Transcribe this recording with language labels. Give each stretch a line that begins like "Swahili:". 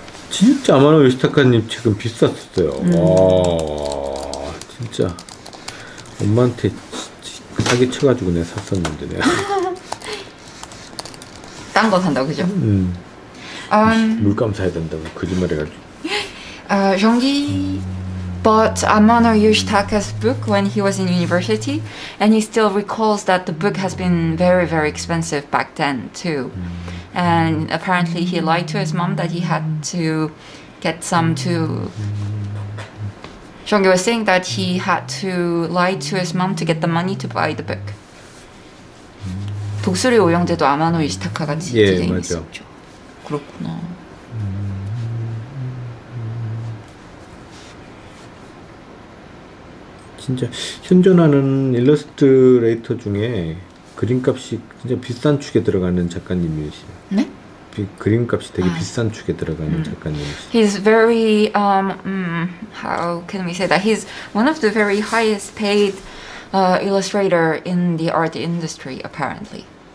Korean: 진짜 아마노 유시타카님 책은 비쌌었어요. 와 진짜 엄마한테 사기 쳐가지고 내가 샀었는데 내가 딴 거 산다고 그죠? 물감 사야 된다고 거짓말 해가지고
English: 정기 bought Amano Yoshitaka's book when he was in university, and he still recalls that the book has been very, very expensive back then, too. And apparently he lied to his mom that he had to get some to... Zhang Yi was saying that he had to lie to his mom to get the money to buy the book.
Korean: 독수리 오영재도 아마노 유시타카가 디자인했었죠. 그렇구나. 진짜 현존하는 일러스트레이터 중에 그림값이 진짜 비싼 축에 들어가는 작가님이시에요. 네? 그림값이 되게 비싼 축에 들어가는 작가님이시에요.
English: He's very, how can we say that? He's one of the very highest paid illustrator in the art industry, apparently.